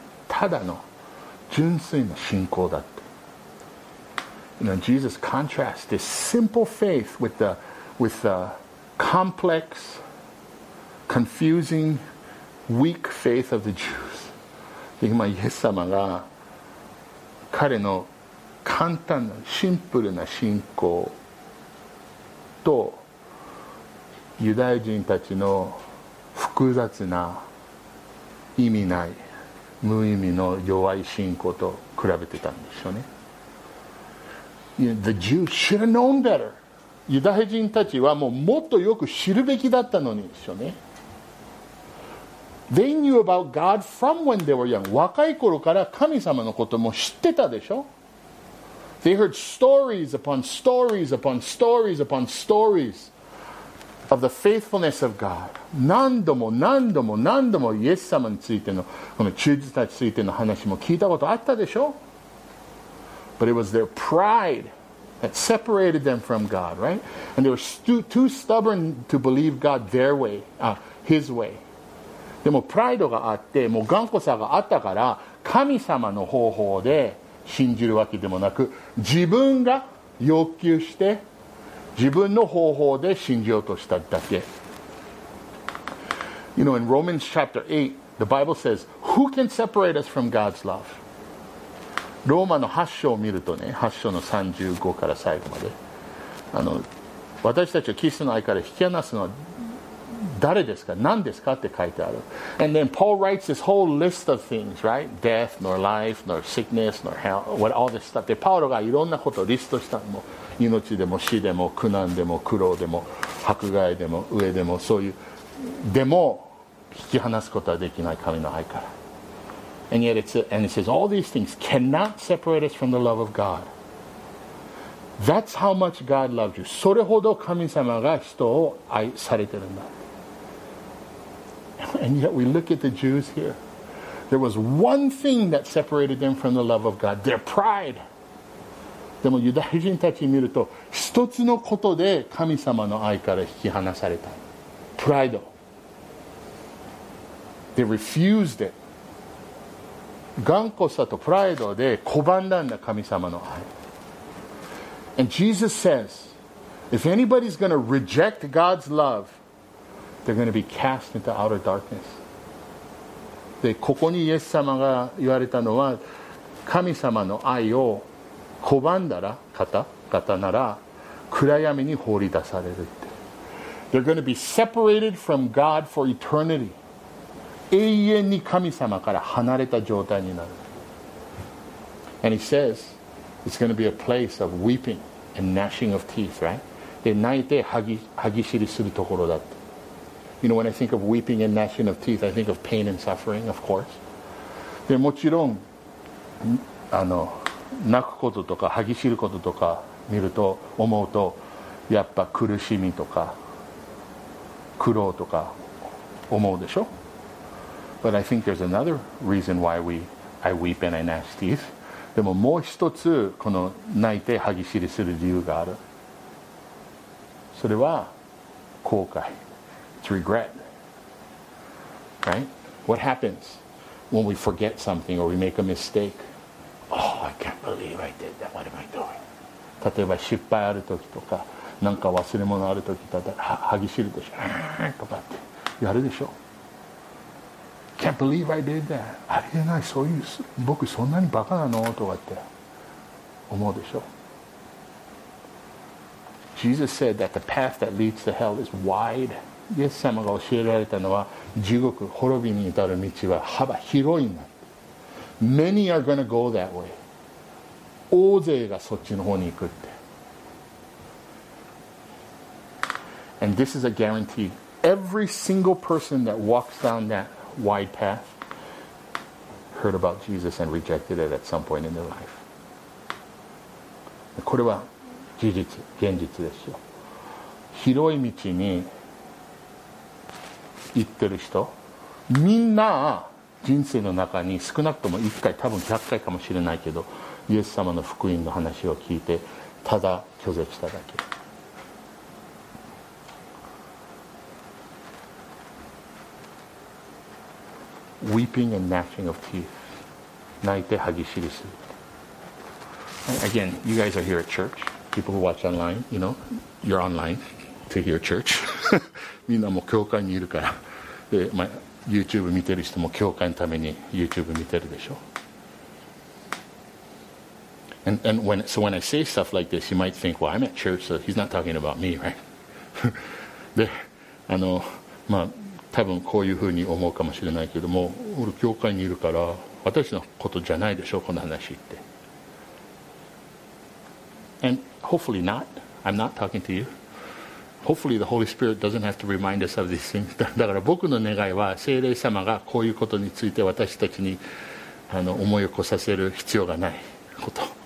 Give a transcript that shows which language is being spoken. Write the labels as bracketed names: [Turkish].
[Japanese] ただの純粋な信仰だって。 [English] You know, Jesus contrasts this simple faith with the complexconfusing weak faith of the Jews. [Japanese] で、今イエス様が彼の簡単なシンプルな信仰とユダヤ人たちの複雑な意味ない無意味の弱い信仰と比べてたんでしょうね。 [English] You know, the Jews should have known better. [Japanese] ユダヤ人たちはもうもっとよく知るべきだったのにでしょうね。 [English] They knew about God from when they were young. [Japanese] 若い頃から神様のことも知ってたでしょ。 [English] They heard stories upon stories upon stories upon stories of the faithfulness of God. [Japanese] 何度も何度も何度もイエス様についてのこの忠実さについての話も聞いたことあったでしょ。 [English] But it was their pride that separated them from God, right? And they were too stubborn to believe God their way, his way. [Japanese] でもプライドがあって、もう頑固さがあったから、神様の方法で信じるわけでもなく、自分が要求して、自分の方法で信じようとしただけ。 [English] You know, in Romans chapter 8, the Bible says, who can separate us from God's love? [Japanese] ローマの8章を見るとね、8章の35から最後まで、私たちをキリストの愛から引き離すのは誰ですか、何ですかって書いてある。 [English] And then Paul writes this whole list of things, right? Death, nor life, nor sickness, nor hell, what all this stuff. [Japanese] で、パウロがいろんなことをリストしたの。命でも死でも苦難でも苦労でも迫害でも飢えでもそういう、でも引き離すことはできない神の愛から。 [English] And yet and it says all these things cannot separate us from the love of God. That's how much God loved you. [Japanese] それほど神様が人を愛されてるんだ。 [English] And yet we look at the Jews here. There was one thing that separated them from the love of God. Their pride. [Japanese] でもユダヤ人たち見ると一つのことで神様の愛から引き離された。 [English] Pride. They refused it. [Japanese] 頑固さとプライドで拒んだんだ神様の愛。 [English] And Jesus says, if anybody's going to reject God's love, they're going to be cast into outer darkness. [Japanese] で、ここにイエス様が言われたのは、神様の愛を拒んだら、方なら、暗闇に放り出されるって。 [English] They're going to be separated from God for eternity. [Japanese] 永遠に神様から離れた状態になる。 [English] And he says, it's going to be a place of weeping and gnashing of teeth, right? [Japanese] で、泣いて歯ぎしりするところだって。 [English] You know, when I think of weeping and gnashing of teeth, I think of pain and suffering, of course. [Japanese] で、もちろん、泣くこととか歯ぎしることとか見ると、思うと、やっぱ苦しみとか、苦労とか思うでしょ？ [English] But I think there's another reason why I weep and I gnash teeth. [Japanese] でももう一つこの泣いて歯ぎしりする理由がある。それは後悔。 [English] It's regret. Right? What happens when we forget something or we make a mistake? Oh, I can't believe I did that. What am I doing? [Japanese] 例えば失敗ある時とか、なんか忘れ物ある時とか、歯ぎしるでしょ。とかってやるでしょ。 [English] Can't believe I did that. [Japanese] ありえない、そういう僕そんなにバカなのとかって思うでしょ。 [English] Jesus said that the path that leads to hell is wide. [Japanese] イエス様が教えられたのは地獄滅びに至る道は幅広いんだ。 [English] Many are going to go that way. [Japanese] 大勢がそっちの方に行くって。 [English] And this is a guarantee. Every single person that walks down thatwide path heard about Jesus and rejected it at some point in their life. [Japanese] これは事実、現実ですよ。広い道に行ってる人、みんな人生の中に少なくとも1回、多分100回かもしれないけど、イエス様の福音の話を聞いてただ拒絶しただけ。 [English] Weeping and gnashing of teeth. [Japanese] 泣いて歯ぎしりする。 [English] Again, you guys are here at church. People who watch online, you know, you're online to hear church. [Japanese] みんなも教会にいるから。で、まあ、YouTube 見てる人も教会のために YouTube 見てるでしょ。 [English] And when, so when I say stuff like this, you might think, well, I'm at church, so he's not talking about me, right? [Japanese] で、まあ、多分こういうふうに思うかもしれないけども、俺教会にいるから私のことじゃないでしょこの話って。 [English] And hopefully not. I'm not talking to you. Hopefully the Holy Spirit doesn't have to remind us of these things. [Japanese] だから僕の願いは聖霊様がこういうことについて私たちに思い起こさせる必要がないこと。